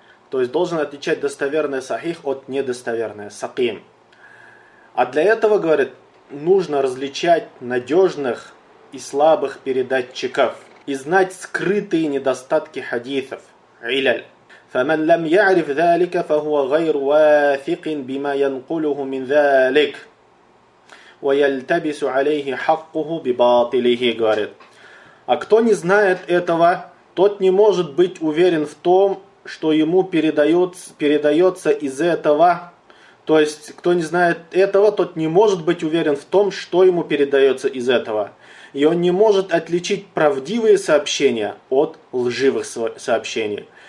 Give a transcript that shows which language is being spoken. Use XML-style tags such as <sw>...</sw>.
<ru>То есть должен отличать достоверное сахих от недостоверное саким. А для этого, говорит, нужно различать надежных и слабых передатчиков и знать скрытые недостатки хадисов. Иляль.</ru> <ar>فَمَنْ لَمْ يَعْرِفْ ذَلِكَ فَهُوَ غَيْرُ وَاثِقٍ بِمَا يَنْقُلُهُ مِنْ ذَلِكَ وَيَلْتَبِسُ عَلَيْهِ حَقُّهُ بِبَاطِلِهِ,</ar> <ru>говорит. А кто не знает этого, тот не может быть уверен в том, что ему передается из этого. То есть, кто не знает этого, тот не может быть уверен в том, что ему передается из этого. И он не может отличить правдивые сообщения от лживых сообщений.</ru>